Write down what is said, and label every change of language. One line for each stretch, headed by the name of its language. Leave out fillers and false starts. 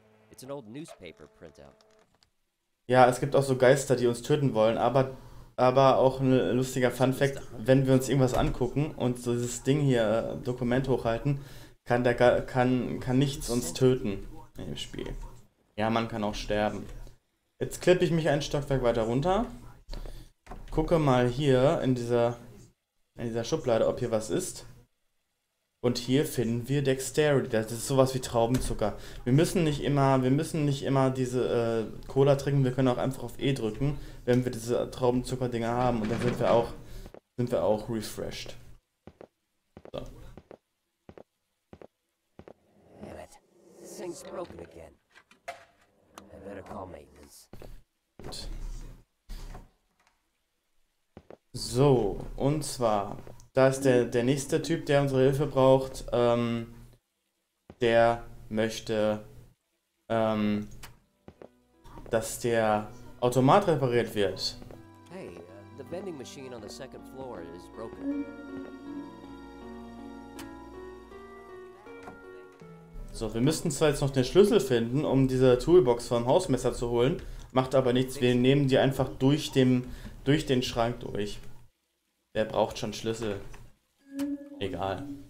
English: It's an old newspaper printout.
German: Ja, es gibt auch so Geister, die uns töten wollen, aber auch ein lustiger Funfact, wenn wir uns irgendwas angucken und so dieses Ding hier, Dokument hochhalten, kann nichts uns töten im Spiel. Ja, man kann auch sterben. Jetzt klippe ich mich ein Stockwerk weiter runter, gucke mal hier in dieser Schublade, ob hier was ist. Und hier finden wir Dexterity. Das ist sowas wie Traubenzucker. Wir müssen nicht immer diese Cola trinken. Wir können auch einfach auf E drücken, wenn wir diese Traubenzucker-Dinger haben. Und dann sind wir auch refreshed. So.
English: Damn it. This thing's broken again. I better call maintenance.
German: Gut. So, und zwar. Da ist der nächste Typ, der unsere Hilfe braucht, der möchte, dass der Automat repariert wird.
English: Hey, The vending machine on the second floor is broken.
German: So, wir müssten zwar jetzt noch den Schlüssel finden, um diese Toolbox vom Hausmesser zu holen. Macht aber nichts, wir nehmen die einfach durch den Schrank durch. Wer braucht schon Schlüssel? Egal.